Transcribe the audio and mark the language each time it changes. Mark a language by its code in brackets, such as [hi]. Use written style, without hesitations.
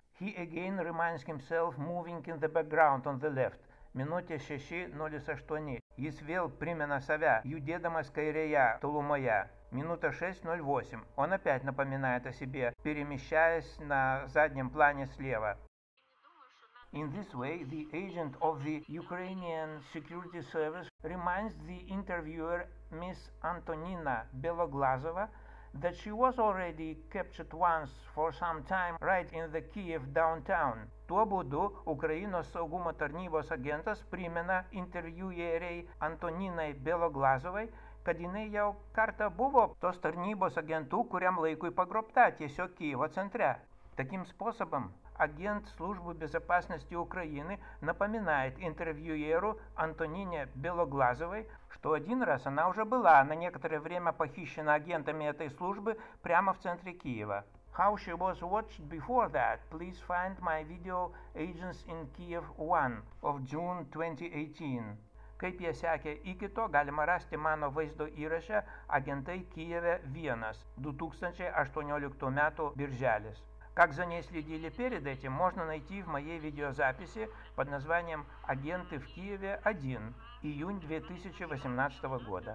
[en] He again reminds himself moving in the background on the left. [ru] Минуте 6:08. [lt] Jis vėl primena save, judėdamas kairėje tolumoje. Minuta 6:08. [ru] Он опять напоминает о себе, перемещаясь на заднем плане слева. [en] In this way, the agent of the Ukrainian Security Service reminds the interviewer, Miss Antonina Beloglazova, that she was already captured once for some time right in the Kyiv downtown. [lt] Tuo būdu Ukrainos saugumo tarnybos agentas primena interviuerei Antoninai Beloglazovai, kad jinai jau kartą buvo tos tarnybos agentų, kuriam laikui pagrobta tiesiog Kyivo centre. [ru] Таким способом агент службы безопасности Украины напоминает интервьюеру Антонине Белоглазовой, что один раз она уже была на некоторое время похищена агентами этой службы прямо в центре Киева. [en] How she was watched before that, please find my video Agents in Kiev 1 of June 2018. [lt] Kaip jie sekė iki to, galima rasti mano vaizdo įrašę Agentai Kijeve 1 2018 metų birželis. [ru] Как за ней следили перед этим, можно найти в моей видеозаписи под названием «Агенты в Киеве 1. Июнь 2018 года».